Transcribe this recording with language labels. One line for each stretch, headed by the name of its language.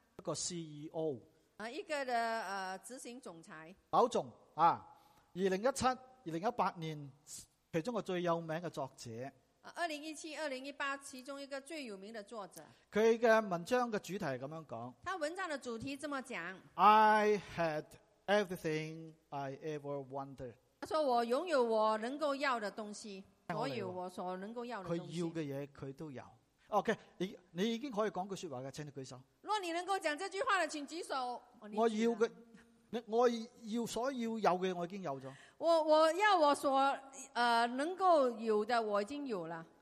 Chinese: 一个 CEO，一个的执行总裁，宝总啊，2017-2018年其中一个最有名的作者， 2017-2018其中一个最有名的作者，他的文章的主题这样讲，他文章的主题这么讲
English: ，I had everything I ever wanted，
Chinese: 他说我拥有我能够要的东西，所有我所能够要的东西，他要的东西他都有。 OK， 你已经可以讲句说话的，请你举手。如果你能够讲这句话的，请举手。我要的，我要所要有的，我已经有了。我要我所能够有的，我已经有了。